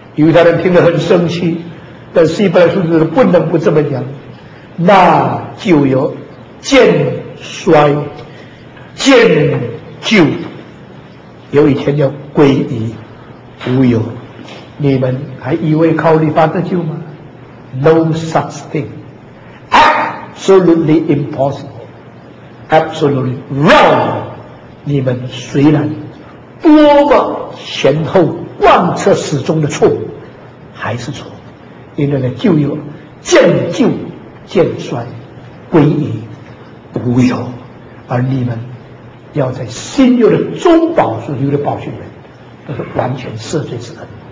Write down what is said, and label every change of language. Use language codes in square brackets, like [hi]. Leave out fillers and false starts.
[zh] 犹太人听得很生气，但希伯来书就是不能不这么讲。那旧约渐衰渐旧，有一天要归于无有。你们还以为靠律法得救吗？ [en] No such thing. Absolutely impossible. Absolutely wrong. [zh] 你们虽然多么前后贯彻始终的错，还是错。因为呢，旧有渐旧渐衰归于无有，而你们要在新约的中保所留的宝血人，那是完全赦罪之恩。